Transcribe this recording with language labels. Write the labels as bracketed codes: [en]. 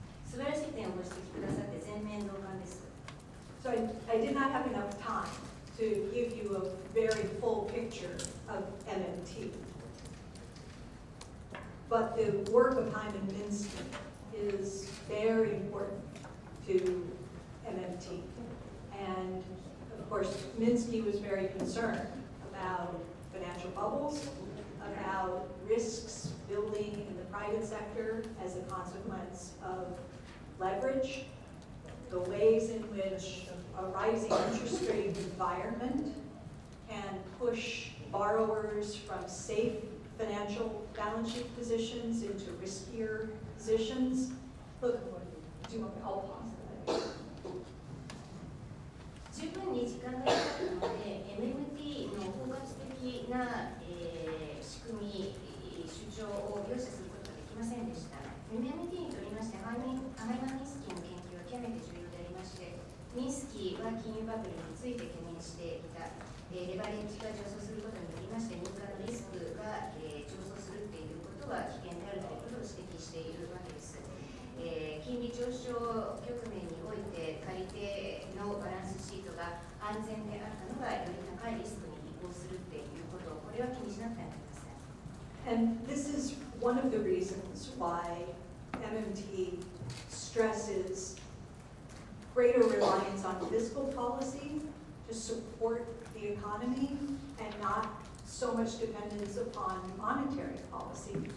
[ja] 素晴らしい点をご指摘くださって全面同感です。 [en] So I did not have enough time to give you a very full picture of MMT. But the work of Hyman Minsky is very important to MMT. And of course, Minsky was very concerned about financial bubbles, about risks building in the private sector as a consequence of leverage, the ways in which a rising interest rate environment can push borrowers from safe financial balance sheet positions into riskier positions. Look, I'll pause for that. [ja] 十分に時間がかかったので、MMT の包括的な、仕組み、主張を描写することができませんでした。 MMT にとりまして、ハイマン・ミンスキーの研究は極めて重要でありまして、ミンスキーは金融バブルについて懸念していた、レバレッジが上昇することによりまして、民間のリスクが、上昇するということは危険であるということを指摘しているわけです。金利上昇局面において借り手のバランスシートが安全であったのがより高いリスクに移行するっていうことをこれは気にしなくてはなりません。 [en] And this is one of the reasons why MMT stresses greater reliance on fiscal policy to support the economy and not so much dependence upon monetary policy.